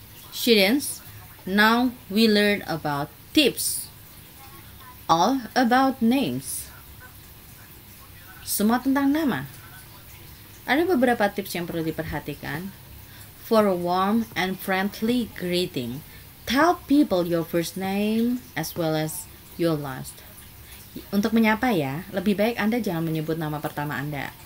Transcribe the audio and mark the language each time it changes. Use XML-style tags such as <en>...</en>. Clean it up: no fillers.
<en>Students, now we learn about tips, all about names.</en> <id>Semua tentang nama. Ada beberapa tips yang perlu diperhatikan.</id> <en>For a warm and friendly greeting, tell people your first name as well as your last.</en> <id>Untuk menyapa ya, lebih baik Anda jangan menyebut nama pertama Anda.</id>